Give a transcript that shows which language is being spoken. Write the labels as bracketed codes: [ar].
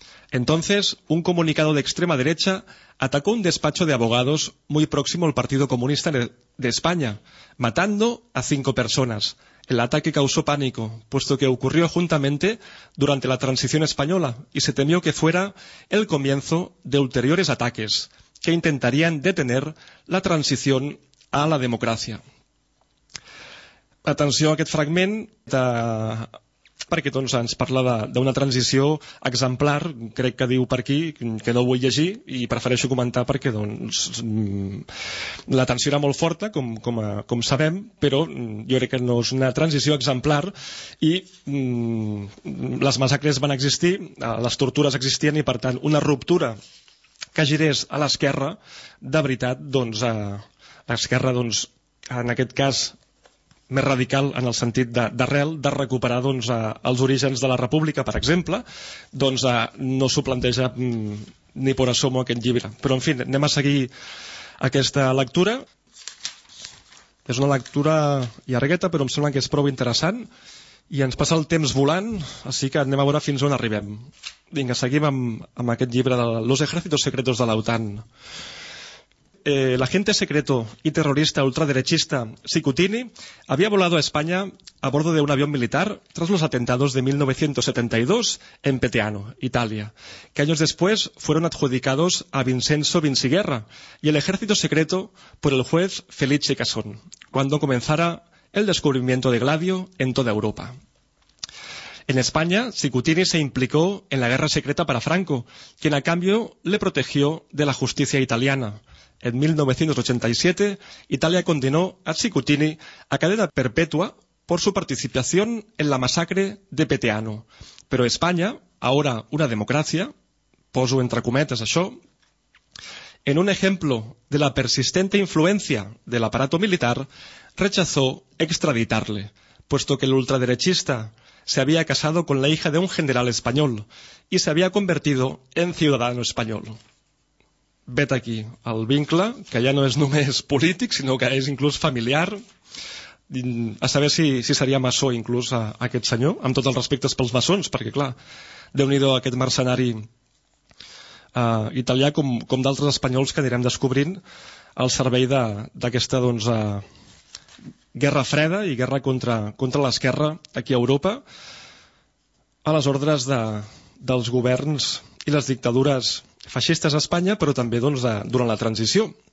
[es] Entonces, un comunicado de extrema derecha atacó un despacho de abogados muy próximo al Partido Comunista de España, matando a 5 personas. El ataque causó pánico, puesto que ocurrió juntamente durante la transición española y se temió que fuera el comienzo de ulteriores ataques que intentarían detener la transición a la democracia. [ca] Atenció a aquest fragment de... perquè doncs, ens parla d'una transició exemplar, crec que diu per aquí, que no vull llegir i prefereixo comentar perquè doncs, la tensió era molt forta, com sabem, però jo crec que no és una transició exemplar i les massacres van existir, les tortures existien i, per tant, una ruptura que girés a l'esquerra, de veritat, doncs, a l'esquerra, doncs, en aquest cas, més radical en el sentit d'arrel, de recuperar doncs, els orígens de la República, per exemple, doncs, no s'ho planteja [es] ni por asomo [ca] aquest llibre. Però, en fi, anem a seguir aquesta lectura. És una lectura llargueta, però em sembla que és prou interessant. I ens passa el temps volant, així que anem a veure fins on arribem. Vinga, seguim amb aquest llibre de Los ejércitos secretos de la OTAN. [es] El agente secreto y terrorista ultraderechista Cicutini había volado a España a bordo de un avión militar tras los atentados de 1972 en Peteano, Italia, que años después fueron adjudicados a Vincenzo Vinciguerra y el ejército secreto por el juez Felice Casson, cuando comenzara el descubrimiento de Gladio en toda Europa. En España, Cicutini se implicó en la guerra secreta para Franco, quien a cambio le protegió de la justicia italiana. En 1987, Italia condenó a Cicutini a cadena perpetua por su participación en la masacre de Peteano. Pero España, ahora una democracia, [ca] poso entre cometas això, [es] en un ejemplo de la persistente influencia del aparato militar, rechazó extraditarle, puesto que el ultraderechista se había casado con la hija de un general español y se había convertido en ciudadano español. [ca] Vet aquí el vincle, que ja no és només polític, sinó que és inclús familiar. A saber si seria maçó inclús aquest senyor, amb tots els respectes pels maçons, perquè, clar, déu-n'hi-do aquest mercenari italià, com d'altres espanyols que anirem descobrint al servei d'aquesta doncs, guerra freda i guerra contra l'esquerra aquí a Europa, a les ordres dels governs i les dictadures feixistes a Espanya, però també doncs, durant la transició.